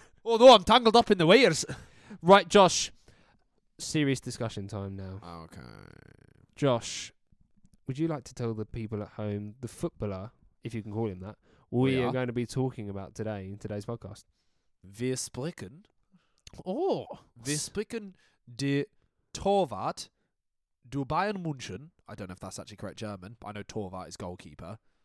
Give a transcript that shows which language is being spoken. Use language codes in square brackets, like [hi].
[en] Oh no, I'm tangled up in the wires. Right, Josh. Serious discussion time now. Okay. Josh, would you like to tell the people at home, the footballer, if you can call him that, We are going to be talking about today in today's podcast. [de] Wir sprechen. Oh. Wir sprechen de Torwart du Bayern München. [en] I don't know if that's actually correct German, but I know Torwart is goalkeeper.